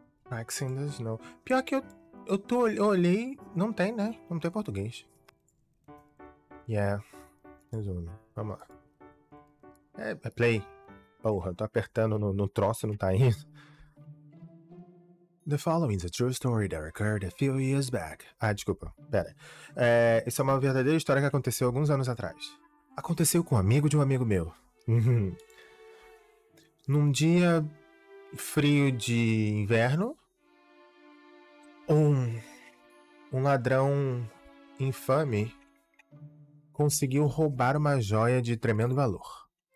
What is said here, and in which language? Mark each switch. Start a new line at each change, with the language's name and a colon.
English: Axe in the Snow.
Portuguese: Pior que eu olhei, não tem, né? Não tem português. Yeah. Resumo. Vamos lá. É play. Porra, tô apertando no troço, não tá indo.
English: The following is a true story that occurred a few years back.
Portuguese: Ah, desculpa, pera. É, isso é uma verdadeira história que aconteceu alguns anos atrás. Aconteceu com um amigo de um amigo meu. Num dia frio de inverno, um ladrão infame conseguiu roubar uma joia de tremendo valor.